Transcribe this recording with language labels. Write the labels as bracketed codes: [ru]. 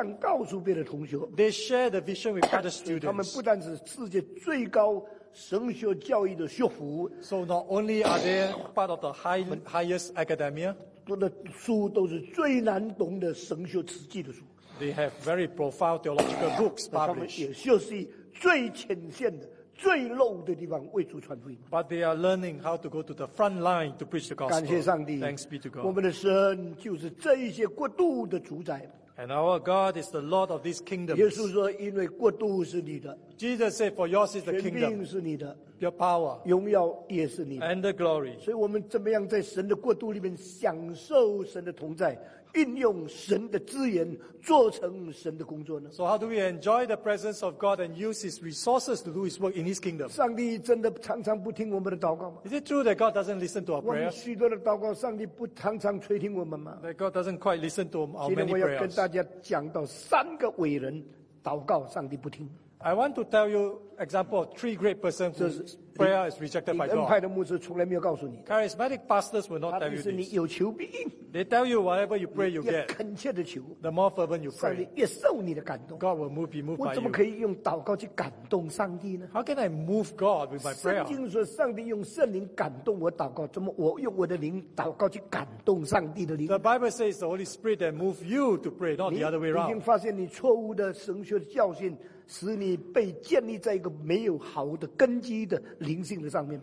[zh] 回去把这个意向告诉别的同学, [en] they share the vision with other students. [zh] 他们不但是世界最高 神学教育的学府, [en] so not only are they part of the highest academia, [zh] 读的书都是最难懂的神学史记的书, [en] they have very profound theological books published. [zh] 最漏的地方为主传福音, [en] but they are learning how to go to the front line to preach the gospel. [zh] 感谢上帝, [en] thanks be to God. [zh] 我们的神就是这一些国度的主宰, [en] and our God is the Lord of these kingdoms. [zh] 耶稣说因为国度是你的, [en] Jesus said for yours is the kingdom, [zh] 权柄是你的, [en] your power, [zh] 荣耀也是你的, [en] and the glory. [zh] 所以我们怎么样在神的国度里面享受神的同在, 运用神的资源做成神的工作呢? [en] So how do we enjoy the presence of God and use His resources to do His work in His kingdom? [zh] 上帝真的常常不听我们的祷告吗? [en] Is it true that God doesn't listen to our prayers? [zh] 我们许多的祷告, 上帝不常常垂听我们吗? [en] That God doesn't quite listen to our many prayers. [zh] 今天我要跟大家讲到三个伟人祷告上帝不听。 [en] I want to tell you example of three great persons whose prayer is rejected by God. [zh] 恩派的牧师从来没有告诉你。 [en] Charismatic pastors will not tell you this. [zh] 你有求必应。 [en] They tell you whatever you pray, you get. [zh] 恳切的求。 [en] The more fervent you pray, [zh] 上帝越受你的感动。 [en] God will move, be moved by you. [zh] 我怎么可以用祷告去感动上帝呢？ [en] How can I move God with my prayer? [zh] 圣经说，上帝用圣灵感动我祷告。怎么我用我的灵祷告去感动上帝的灵？ [en] The Bible says the Holy Spirit that moves you to pray, not the other way around. [zh] 已经发现你错误的神学教训。使你被建立在一个没有好的根基的灵性的上面。